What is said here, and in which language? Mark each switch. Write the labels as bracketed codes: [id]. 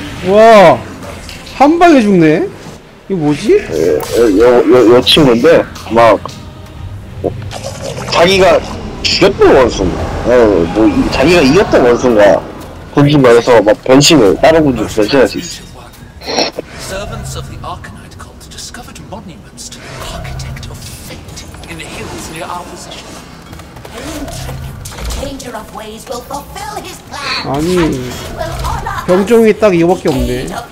[ko] 와, 한 방에 죽네. 이게 뭐지? 여 친구인데 막. 자기가 죽였던 원수인가? 자기가 이겼던 원수인가? 군중 말해서 막 변신을 다른 군중 변신할 수 있어. [en] Servants of the Arcanite cult discovered monuments to the architect of fate in the hills near our position. Changer of ways will fulfill his plan. [ko] 아니 병종이 딱 이거밖에 없네.